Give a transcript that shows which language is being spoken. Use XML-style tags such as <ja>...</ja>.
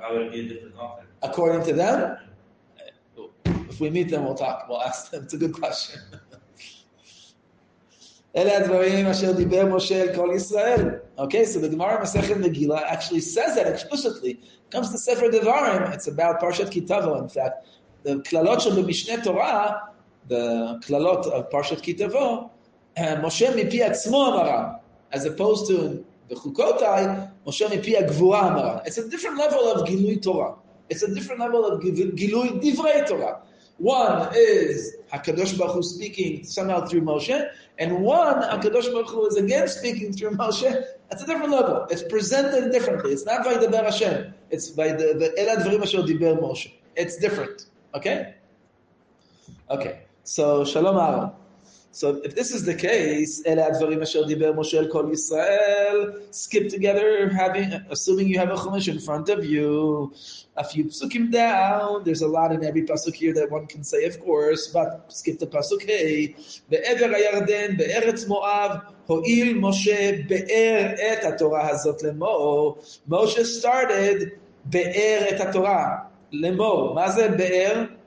<en>That would be a different offer. According to them? If we meet them, we'll talk. We'll ask them. It's a good question.</en> <he>אלה הדברים אשר דיבר משה אל כל ישראל.</he> <en>Okay, so the Gemara Masechet Megillah actually says that explicitly. Comes to Sefer Devarim. It's about Parshat Kitavo, in fact. The klalot</en> <he>של במשנה תורה,</he> <en>the klalot of Parshat Kitavo,</en> <he>משה מפי עצמו אמרה,</he> <en>as opposed to</en> <he>בחוקותיי, משה מפי הגבורה אמרה.</he> <en>It's a different level of גילוי תורה. It's a different level of</en> <he>גילוי דברי תורה.</he> <en>One is הקדוש ברוך הוא speaking somehow through Moshe, and one, הקדוש ברוך הוא is again speaking through Moshe. It's a different level. It's presented differently. It's not by דבר השם. It's by</en> <he>אלה הדברים אשר דיבר משה.</he> <en>It's different. Okay? Okay.</en> <he>So, שלום אהרן.</he> <en>So if this is the case,</en> <he>אלה הדברים אשר דיבר משה אל כל ישראל,</he> <en>skip together, having, assuming you have a chumash in front of you, a few psukim down, there's a lot in every pasuk here that one can say, of course, but skip the pasuk, hey,</en> <he>בעבר הירדן, בארץ מואב, הועיל משה באר את התורה הזאת למור,</he> <en>משה started</en> <he>באר את התורה, למור, מה זה באר?</he>